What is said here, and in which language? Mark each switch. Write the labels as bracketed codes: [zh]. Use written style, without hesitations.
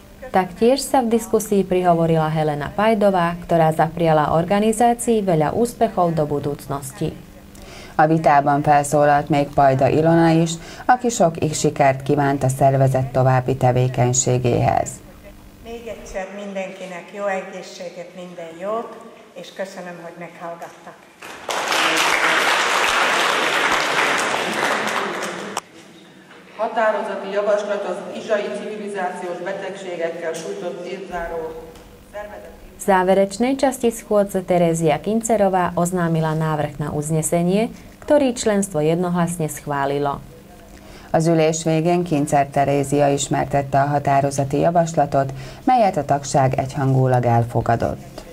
[sk] Taktiež sa v diskusii prihovorila Helena Pajdová, ktorá zapriala organizácii veľa úspechov do budúcnosti. [hu] A vitában felszólalt még Pajda Ilona is, aki sok sikert kívánt a szervezet további tevékenységéhez. Még egyszer mindenkinek jó egészséget, minden jót, és köszönöm, hogy meghallgattak. Határozati javaslat az izsai civilizációs betegségekkel sújtott évzáró szervezet. [sk] V záverečnej časti schôdze Terézia Kincerová oznámila návrh na uznesenie, ktorý členstvo jednohlasne schválilo. [hu] Az ülés végén Kincer Terézia ismertette a határozati javaslatot, melyet a tagság egyhangúlag elfogadott.